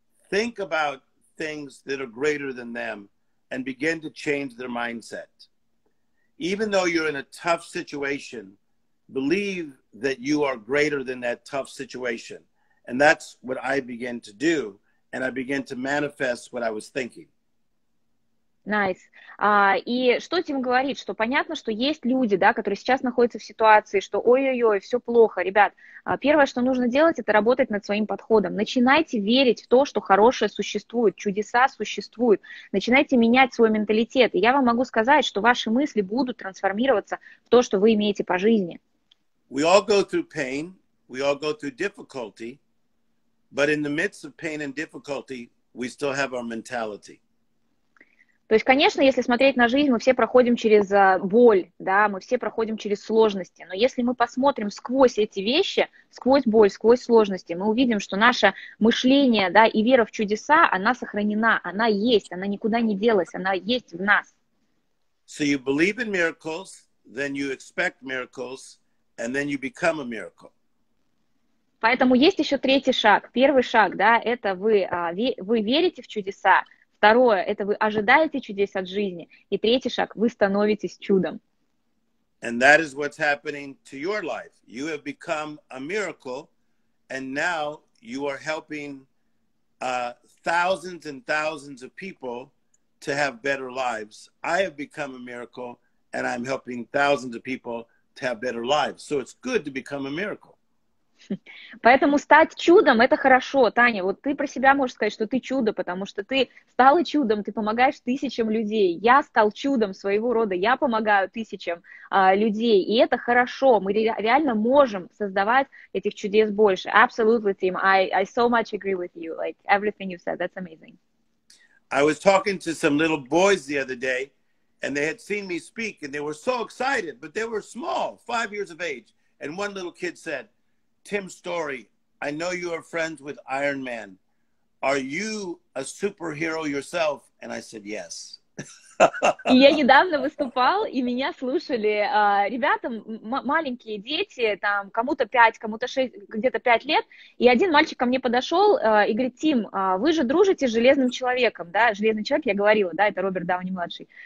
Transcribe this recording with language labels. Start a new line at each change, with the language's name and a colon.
English: Think about things that are greater than them and begin to change their mindset. Even though you're in a tough situation, believe that you are greater than that tough situation. And that's what I began to do. And I began to manifest what I was thinking. Nice.
Russian: И что Тим говорит, что понятно, что есть люди, да, которые сейчас находятся в ситуации, что ой-ой-ой, все плохо, ребят, первое, что нужно делать, это работать над своим подходом, начинайте верить в то, что хорошее существует, чудеса существуют, начинайте менять свой менталитет, и я вам могу сказать, что ваши мысли будут трансформироваться в то, что вы имеете по жизни.
English: We all go through pain, we all go through difficulty, but in the midst of pain and difficulty, we still have our mentality.
Russian: То есть, конечно, если смотреть на жизнь, мы все проходим через боль, да, мы все проходим через сложности. Но если мы посмотрим сквозь эти вещи, сквозь боль, сквозь сложности, мы увидим, что наше мышление, да, и вера в чудеса, она сохранена, она есть, она никуда не делась, она есть в нас.
English: So you believe in miracles, then you expect miracles, and then you become a miracle.
Russian: Поэтому есть еще третий шаг. Первый шаг, да, это вы верите в чудеса. Второе, это вы ожидаете чудес от жизни. И третий шаг, вы становитесь чудом.
English: And that is what's happening to your life. You have become a miracle, and now you are helping thousands and thousands of people to have better lives. I have become a miracle, and I'm helping thousands of people to have better lives. So it's good to become a miracle.
Russian: Поэтому стать чудом – это хорошо, Таня. Вот ты про себя можешь сказать, что ты чудо, потому что ты стала чудом, ты помогаешь тысячам людей. Я стал чудом своего рода, я помогаю тысячам людей. И это хорошо, мы реально можем создавать этих чудес больше.
English: Absolutely, Tim. I so much agree with you. Like, everything you said, that's amazing. I was talking to some little boys the other day, and they had seen me speak, and they were so excited, but they were small, 5 years of age. And one little kid said, Tim Story, I know you are friends with Iron Man. Are you a superhero yourself? And I said, yes.
Russian: И я недавно выступал, и меня слушали ребята, маленькие дети, там кому-то 5, кому-то 6, где-то 5 лет, и один мальчик ко мне подошел и говорит, Тим, вы же дружите с Железным Человеком, да, Железный Человек, я говорила, да, это Роберт Дауни-младший.